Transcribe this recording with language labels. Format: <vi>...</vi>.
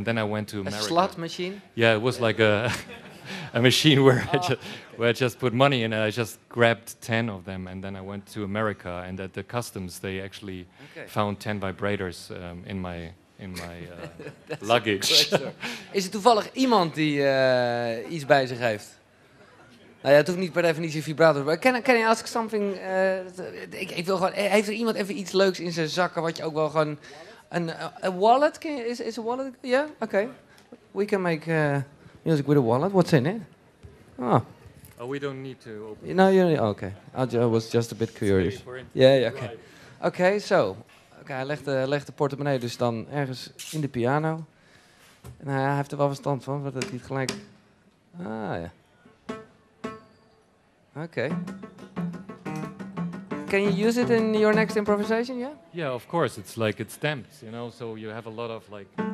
<en>And then I went to America. A slot machine? Yeah, it was like a... a machine where I just put money in, and I just grabbed 10 of them, and then I went to America, and at the customs they actually found 10 vibrators in my luggage.</en> <nl>Is er toevallig iemand die iets bij zich heeft? Nou ja, het hoeft niet per definitie vibrator.</nl> <en>Can I ask something?</en> <nl>Ik wil gewoon, heeft er iemand even iets leuks in zijn zakken wat je ook wel gewoon een wallet?</nl> <en>Is a wallet? Ja, yeah? Okay. We can make. Music with a wallet. What's in it? Oh, we don't need to open. No, you're okay. I was just a bit curious. Yeah. Okay. Okay. So, okay.</en> <nl>Leg de portemonnee dus dan ergens in de piano. En hij heeft er wel verstand van, want dat hij gelijk.</nl> <en>Okay. Can you use it in your next improvisation? Yeah. Yeah, of course. It's like it's stamped, you know. So you have a lot of like.</en>